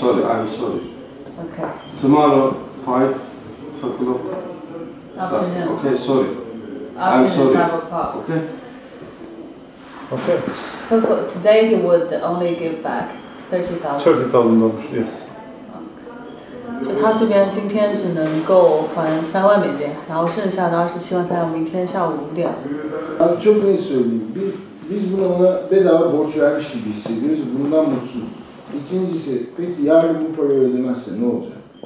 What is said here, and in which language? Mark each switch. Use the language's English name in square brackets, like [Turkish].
[English] Sorry, I'm sorry. Okay. Tomorrow, 5 o'clock. Afternoon. Okay, sorry. Afternoon, I'm sorry. 5 o'clock. Okay. Okay. So for today, he would only give back $30,000. $30,000, yes. [Chinese] 他这边今天只能够还3万美金，然后剩下的27万在明天下午5点。 [Turkish] Çok net söyleyeyim. Biz buna ona bedava borç vermiş gibi hissediyoruz. Bundan mutsuz. İkincisi, peki yarın bu parayı ödemezse ne olacak?